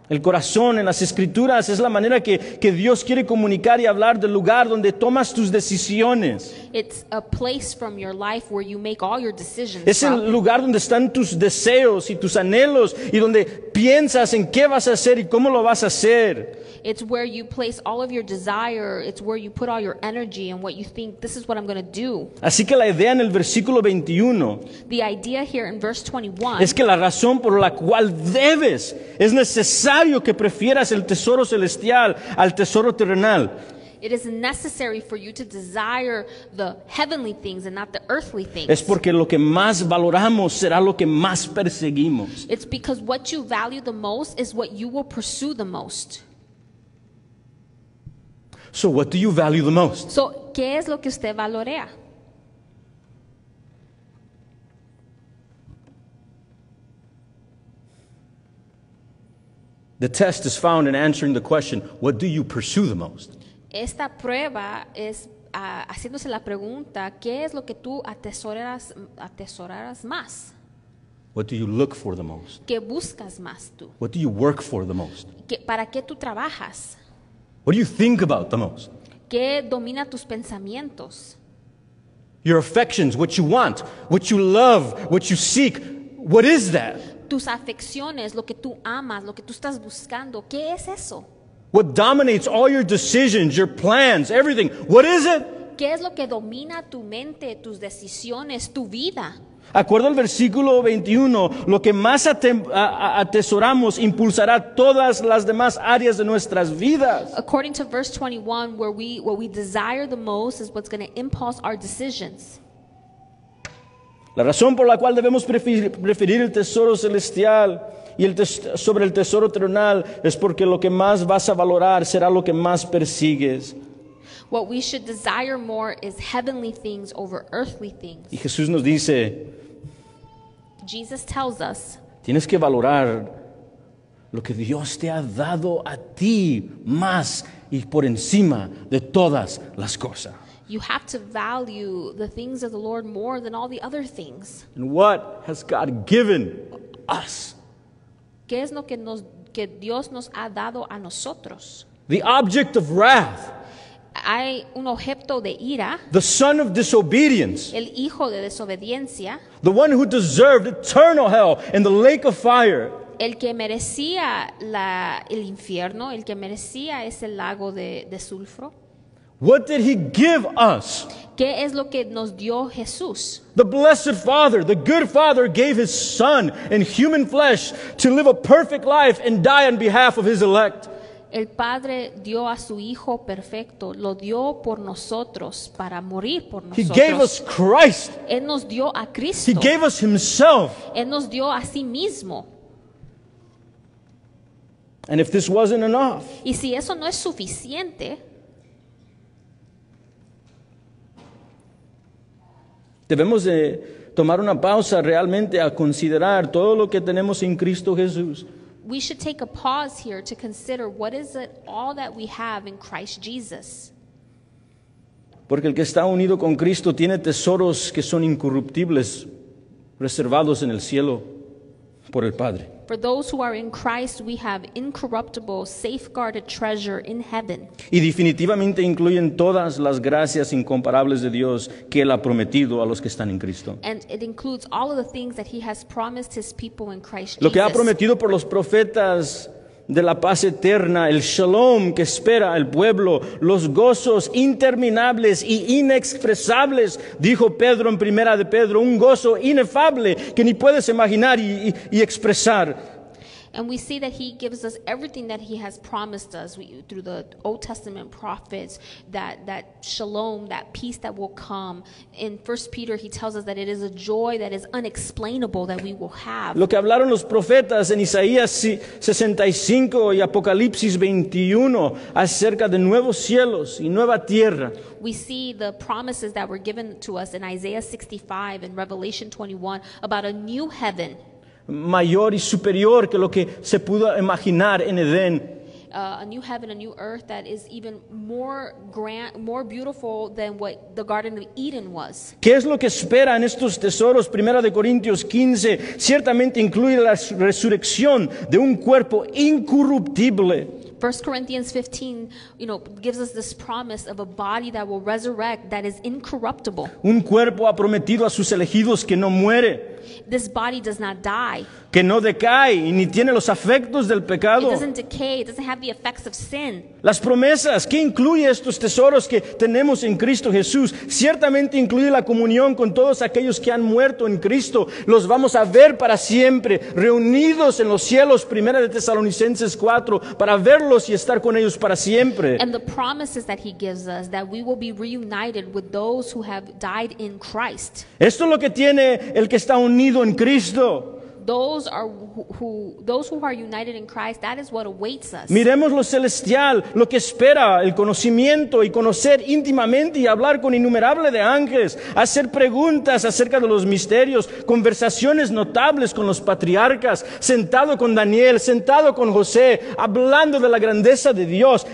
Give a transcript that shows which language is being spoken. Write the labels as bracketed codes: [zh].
[es] El corazón en las escrituras es la manera que Dios quiere comunicar y hablar del lugar donde tomas tus decisiones. [en] It's a place from your life where you make all your decisions. [es] Es el lugar donde están tus deseos y tus anhelos y donde piensas en qué vas a hacer y cómo lo vas a hacer. [en] It's where you place all of your desire. It's where you put all your energy and what you think, this is what I'm going to do. [es] Así que la idea en el versículo 21, [en] the idea here in verse 21, [es] es que la razón por la cual debes, es necesario que prefieras el tesoro celestial al tesoro terrenal. [en] It is necessary for you to desire the heavenly things and not the earthly things. [es] Es porque lo que más valoramos será lo que más perseguimos. [en] It's because what you value the most is what you will pursue the most. So what do you value the most? [es] So, ¿qué es lo que usted valorea? [en] The test is found in answering the question, what do you pursue the most? [es] Esta prueba es haciéndose la pregunta, ¿qué es lo que tú atesoras más? [en] What do you look for the most? [es] ¿Qué buscas más tú? [en] What do you work for the most? [es] ¿Para qué tú trabajas? [en] What do you think about the most? [es] ¿Qué domina tus pensamientos? [en] Your affections, what you want, what you love, what you seek, what is that? [es] Tus afecciones, lo que tú amas, lo que tú estás buscando, ¿qué es eso? [en] What dominates all your decisions, your plans, everything? What is it? [es] ¿Qué es lo que domina tu mente, tus decisiones, tu vida? Acuerdo al versículo 21, lo que más atesoramos impulsará todas las demás áreas de nuestras vidas. [en] According to verse 21, what we desire the most is what's going to impulse our decisions. [es] La razón por la cual debemos preferir el tesoro celestial y sobre el tesoro terrenal es porque lo que más vas a valorar será lo que más persigues. [en] What we should desire more is heavenly things over earthly things. [es] Y Jesús nos dice, [en] Jesus tells us, [es] tienes que valorar lo que Dios te ha dado a ti más y por encima de todas las cosas. [en] You have to value the things of the Lord more than all the other things. And what has God given us? [es] ¿Qué es lo que Dios nos ha dado a nosotros? [en] The object of wrath. [es] Hay un objeto de ira. [en] The son of disobedience. [es] El hijo de desobediencia. [en] The one who deserved eternal hell in the lake of fire. [es] El que merecía el infierno, el que merecía ese lago de sulfuro. [en] What did he give us? [es] ¿Qué es lo que nos dio Jesús? [en] The blessed Father, the good Father, gave his Son in human flesh to live a perfect life and die on behalf of his elect. [es] El Padre dio a su Hijo perfecto, lo dio por nosotros, para morir por nosotros. [en] He gave us Christ. [es] Él nos dio a Cristo. [en] He gave us himself. [es] Él nos dio a sí mismo. [en] And if this wasn't enough, [es] y si eso no es suficiente, debemos de tomar una pausa realmente a considerar todo lo que tenemos en Cristo Jesús. [en] We should take a pause here to consider what is it all that we have in Christ Jesus. [es] Porque el que está unido con Cristo tiene tesoros que son incorruptibles, reservados en el cielo por el Padre. [en] For those who are in Christ, we have incorruptible, safeguarded treasure in heaven. [es] Y definitivamente incluyen todas las gracias incomparables de Dios que Él ha prometido a los que están en Cristo. [en] And it includes all of the things that He has promised His people in Christ [es] Jesus. Lo que ha prometido por los profetas de la paz eterna, el shalom que espera el pueblo, los gozos interminables y inexpresables, dijo Pedro en Primera de Pedro, un gozo inefable que ni puedes imaginar y expresar. [en] And we see that He gives us everything that He has promised us through the Old Testament prophets, that shalom, that peace that will come. In 1 Peter, He tells us that it is a joy that is unexplainable that we will have. [es] Lo que hablaron los profetas en Isaías 65 y Apocalipsis 21 acerca de nuevos cielos y nueva tierra. [en] We see the promises that were given to us in Isaiah 65 and Revelation 21 about a new heaven. [es] Mayor y superior que lo que se pudo imaginar en Edén. [en] A new heaven, a new earth that is even more grand, more beautiful than what the Garden of Eden was. [es] ¿Qué es lo que espera en estos tesoros? Primera de Corintios 15 ciertamente incluye la resurrección de un cuerpo incorruptible. [en] 1 Corinthians 15, you know, gives us this promise of a body that will resurrect, that is incorruptible. [es] Un cuerpo ha prometido a sus elegidos que no muere. [en] This body does not die. [es] Que no decae y ni tiene los afectos del pecado. [en] It doesn't decay, it doesn't have the effects of sin. [es] Las promesas, ¿qué incluye estos tesoros que tenemos en Cristo Jesús? Ciertamente incluye la comunión con todos aquellos que han muerto en Cristo. Los vamos a ver para siempre, reunidos en los cielos, 1 de Tesalonicenses 4, para verlos y estar con ellos para siempre. [en] And the promises that he gives us, that we will be reunited with those who have died in Christ. [es] Esto es lo que tiene el que está unido en Cristo. [en] Those who are united in Christ, that is what awaits us. [es] Miremos lo celestial, lo que espera, el conocimiento y conocer íntimamente y hablar con innumerable de ángeles, hacer preguntas acerca de los misterios, conversaciones notables con los patriarcas, sentado con Daniel, sentado con José, hablando de la grandeza de Dios.